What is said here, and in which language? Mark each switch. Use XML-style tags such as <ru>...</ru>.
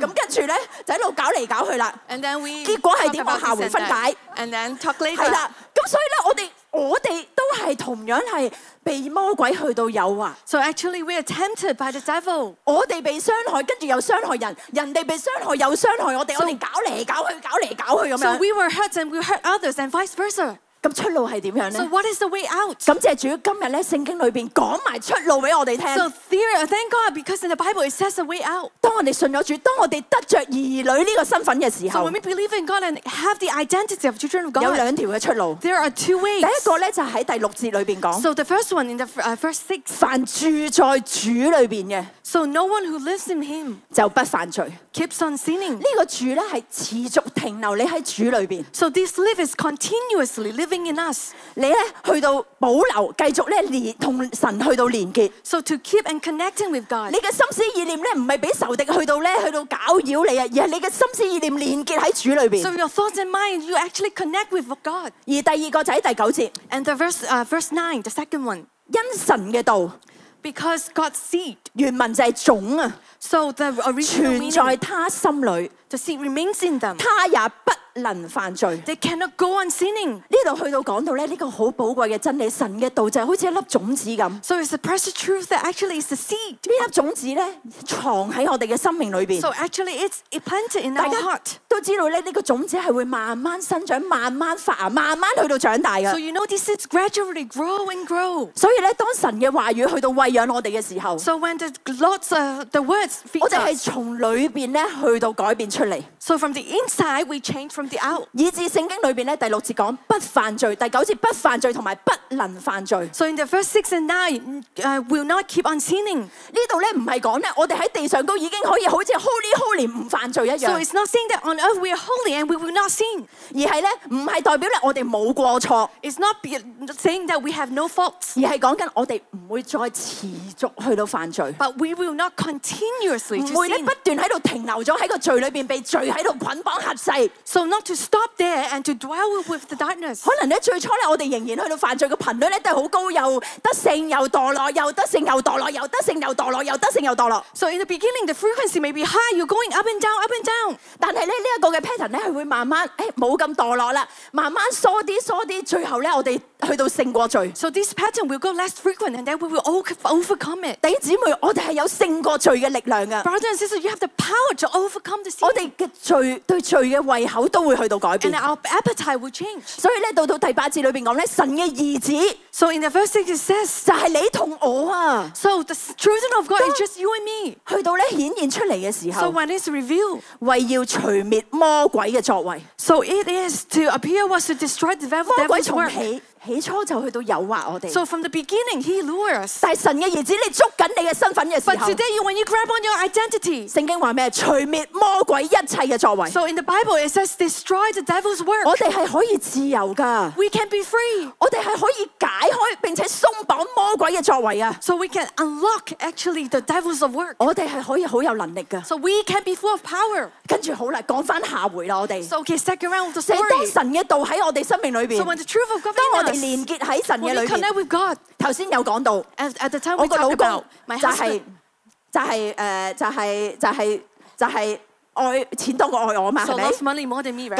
<yue>咁跟住咧就喺度搞嚟搞去啦。</yue> <en>And then we</en> <yue>結果係點？我下回分解。</yue> <en>And then talk later。</en> <yue>係啦，咁所以咧我哋。我哋都係同樣係被魔鬼去到誘惑。</yue> <en>So actually, we are tempted by the devil.</en> <yue>我哋被傷害，跟住又傷害人，人哋被傷害又傷害我哋，我哋搞嚟搞去，搞嚟搞去咁樣。</yue> <en>So we were hurt and we hurt others and vice versa.</en> <yue>咁出路係點樣咧</yue> <en>？So what is the way out？</en> <yue>感謝主，今日咧聖經裏邊講埋出路俾我哋聽。</yue> <en>So there, thank God, because in the Bible it says the way out。</en> <yue>當我哋信咗主，當我哋得著兒女呢個身份嘅時候</yue> <en>，So when we believe in God and have the identity of children of God，</en> <yue>有兩條嘅出路。</yue> <en>There are two ways。</en> <yue>第一個咧就喺第六節裏邊講。</yue> <en>So the first one in the first six。</en> <yue>凡住在主裏邊嘅</yue> <en>，So no one who lives in Him</en> <yue>就不犯罪。</yue> <en>Keeps on sinning。</en> <yue>呢個住咧係持續停留你喺主裏邊。</yue> <en>So this live is continuously live。 In us.</en> <yue>你咧去到保留，繼續咧連同神去到連結。</yue> <en>So to keep and connecting with God.</en> <yue>你嘅心思意念咧唔係俾仇敵去到咧去到攪擾你啊，而係你嘅心思意念連結喺主裏邊。</yue> <en>So your thoughts and mind, you actually connect with God.</en> <yue>而第二個就喺第九節。</yue> <en>And the verse, verse nine, the second one.</en> <yue>因神嘅道。</yue> <en>Because God's seed.</en> <yue>原文就係種啊。</yue> <en>So the original meaning.</en> <yue>存在他心裏。</yue> <en>The seed remains in them.</en> <yue>他也不。能犯罪</yue> <en>，They cannot go on sinning。</en> <yue>呢度去到講到咧，呢個好寶貴嘅真理，神嘅道就好似一粒種子咁。</yue> <en>So it's the precious truth that actually is the seed。</en> <yue>呢粒種子咧，藏喺我哋嘅生命裏邊。</yue> <en>So actually it's planted in our heart。</en> <yue>都知道咧，呢個種子係會慢慢生長、慢慢發芽、慢慢去到長大嘅。</yue> <en>So you know these seeds gradually grow and grow。</en> <yue>所以咧，當神嘅話語去到餵養我哋嘅時候</yue> <en>，So when the lots of the words feed us，</en> <yue>我哋係從裏邊咧去到改變出嚟。</yue> <en>So from the inside we change from the out。</en> <yue>以致聖經裏邊咧第六節講不犯罪，第九節不犯罪同埋不能犯罪。</yue> <en>So in the first six and nine, will not keep on sinning。</en> <yue>呢度咧唔係講咧，我哋喺地上都已經可以好似</yue> <en>holy holy</en> <yue>唔犯罪一樣。</yue> <en>So it's not saying that on earth we are holy and we will not sin。</en> <yue>而係咧唔係代表咧我哋冇過錯。</yue> <en>It's not saying that we have no faults。</en> <yue>而係講緊我哋唔會再持續去到犯罪。</yue> <en>But we will not continuously to sin。</en> <yue>唔會咧不斷喺度停留咗喺個罪裏邊被罪。喺度捆绑辖制</yue> <en>，so not to stop there and to dwell with the darkness。</en> <yue>可能咧最初咧，我哋仍然去到犯罪嘅频率咧都系好高，又得胜又堕落，又得胜又堕落，又得胜又堕落，又得胜又堕落。</yue> <en>So in the beginning, the frequency may be high, you're going up and down, up and down。</en> <yue>但系咧呢一个嘅 pattern 咧系会慢慢诶冇咁堕落啦，慢慢疏啲疏啲，最后咧我哋去到胜过罪。</yue> <en>So this pattern will go less frequent and then we will overcome it。</en> <yue>弟兄姊妹，我哋系有胜过罪嘅力量噶。</yue> <en>Brothers and sisters, you have the power to overcome the sin。</en> <yue>我哋嘅罪对罪嘅胃口都会去到改变</yue> <en>，and our appetite will change。</en> <yue>所以咧，到第八节里边讲咧，神嘅儿子</yue> <en>，so in the verse six it says</en> <yue>就系你同我啊。</yue> <en>So the children of God is just you and me。</en> <yue>去到咧显现出嚟嘅时候</yue> <en>，so when it's revealed，</en> <yue>为要除灭魔鬼嘅作为</yue> <en>，so it is to appear was to destroy the devil's work。</en> <yue>魔鬼从起初就去到誘惑我哋。</yue> <en>So from the beginning, he lures.</en> <yue>但係神嘅兒子，你捉緊你嘅身份嘅時候。</yue> <en>But today, when you grab on your identity,</en> <yue>聖經話咩？除滅魔鬼一切嘅作為。</yue> <en>So in the Bible, it says destroy the devil's work.</en> <yue>我哋係可以自由噶。</yue> <en>We can be free.</en> <yue>我哋係可以解開並且鬆綁魔鬼嘅作為啊。</yue> <en>So we can unlock actually the devil's work.</en> <yue>我哋係可以好有能力噶。</yue> <en>So we can be full of power.</en> <yue>跟住好啦，講翻下回啦，我哋。</yue> <en>So okay, second round of the story.</en> <yue>當神嘅道喺我哋生命裏邊。 So when the truth of God in us. 连结喺神嘅里边。头先有讲到，</yue> <en>at the time we talked about,</en> <yue>我个老公就系爱钱多过爱我嘛，系咪</yue> <en>？So lots of money more than me, right？</en>